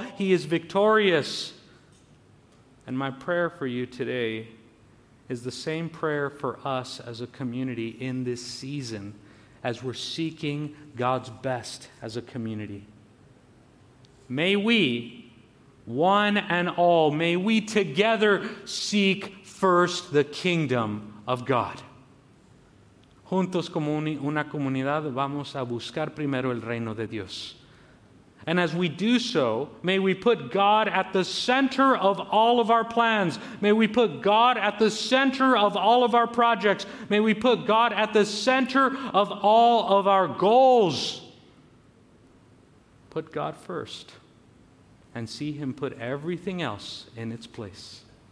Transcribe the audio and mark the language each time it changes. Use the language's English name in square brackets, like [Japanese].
[English] He is victorious. And my prayer for you today is the same prayer for us as a community in this season, as we're seeking God's best as a community. May we, one and all, may we together seek first the kingdom of God. [Spanish] Juntos como una comunidad vamos a buscar primero el reino de Dios. [English] And as we do so, may we put God at the center of all of our plans. May we put God at the center of all of our projects. May we put God at the center of all of our goals. Put God first and see Him put everything else in its place.